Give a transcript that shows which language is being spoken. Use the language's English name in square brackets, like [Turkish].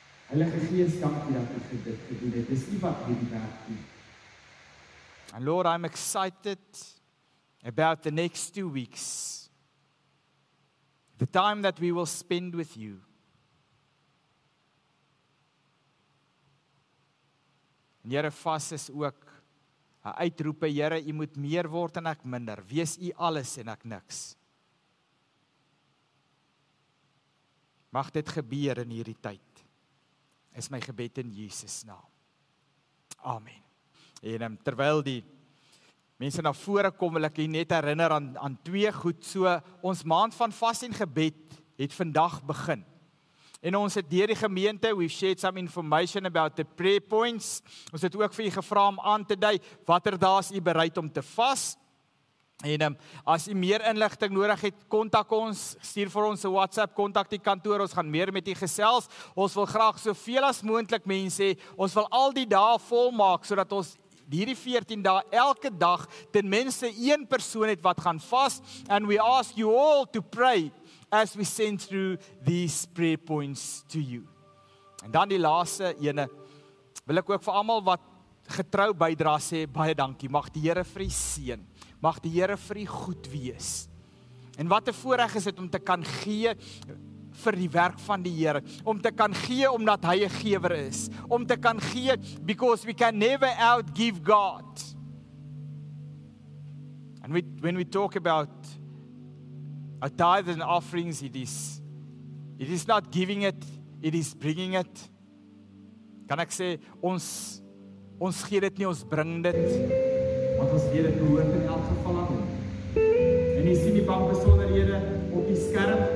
[English] And Lord, I'm excited about the next 2 weeks. The time that we will spend with you. [Afrikaans] En Here, vas is ook een uitroepe, Here, u moet meer word en ek minder. Wees u alles en ek niks. Mag dit gebeur in hierdie tyd, is my gebed in Jesus naam. Amen. En terwijl die mense na vore kom, wil ek u net herinner aan twee goed. So, ons maand van vas en gebed het vandag begin. En ons het deur die gemeente, [English] we've shared some information about the prayer points. [Afrikaans] Ons het ook vir u gevra om aan te dui, watter dae is u bereid om te vas. En as u meer inligting nodig het, kontak ons, stuur vir ons 'n WhatsApp, kontak die kantoor, ons gaan meer met u gesels. Ons wil graag soveel as moontlik mense hê, ons wil al die dae vol maak, sodat ons hierdie 14 dae, elke dag, ten minste een persoon het wat gaan vas. [English] And we ask you all to pray as we send through these prayer points to you. [Afrikaans] En dan die laaste ene, wil ek ook vir allemaal wat getrou bydra sê, baie dankie, mag die Here vir u seën, mag die Here vir u goed wees. En wat 'n voorreg is dit om te kan gee vir die werk van die Here, om te kan gee omdat hy 'n gewer is, om te kan gee [English] because we can never outgive God. And when we talk about a tithe and offerings, it is not giving it, it is bringing it. [Afrikaans] Kan ek sê, ons gee dit nie, ons bring dit. Want ons gee dit behoort in elk geval aan hom. En jy sien die bank besonderhede op die skerm.